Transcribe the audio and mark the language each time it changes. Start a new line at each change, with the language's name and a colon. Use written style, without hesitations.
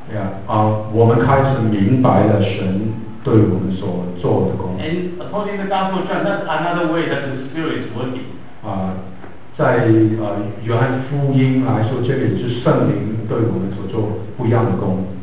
Chinese: Yeah, 我们开始明白了神对我们所做的工作。
English: And according to the Gospel of John, that's another way that the Spirit is working.
Chinese: 在约翰福音来说，这个也是圣灵对我们所做不一样的工作。